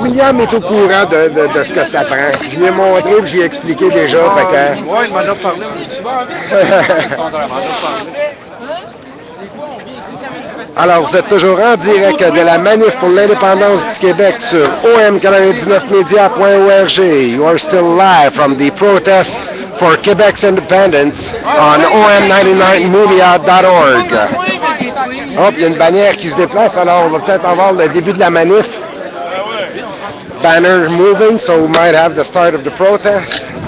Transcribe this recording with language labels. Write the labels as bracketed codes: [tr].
[fr] William est au courant de ce que ça prend. Je lui ai montré et j'ai expliqué déjà. Ah, fait que... Oui, il m'en a parlé. Alors, vous êtes toujours en direct de la Manif pour l'indépendance du Québec sur om99media.org. [en] You are still live from the protest for Quebec's independence on om99media.org. [fr] Hop, il y a une bannière qui se déplace, alors on va peut-être avoir le début de la manif. [en] Banner moving, so we might have the start of the protest.